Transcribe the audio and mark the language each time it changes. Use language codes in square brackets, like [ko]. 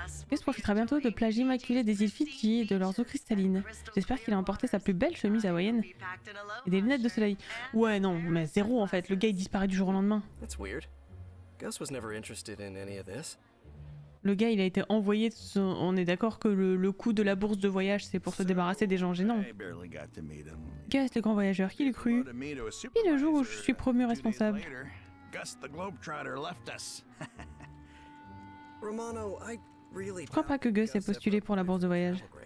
[fr] Gus profitera bientôt de plages immaculées des îles Fidji et de leurs eaux cristallines. J'espère qu'il a emporté sa plus belle chemise hawaïenne et des lunettes de soleil. Ouais, non, mais zéro en fait, le gars il disparaît du jour au lendemain. [en] That's weird. Gus was never interested in any of this. [fr] Le gars, il a été envoyé, on est d'accord que le coût de la bourse de voyage, c'est pour se débarrasser des gens gênants. Gus, le grand voyageur, qui l'a cru? Et le jour où je suis promu responsable. Je crois pas que Gus ait postulé pour la bourse de voyage.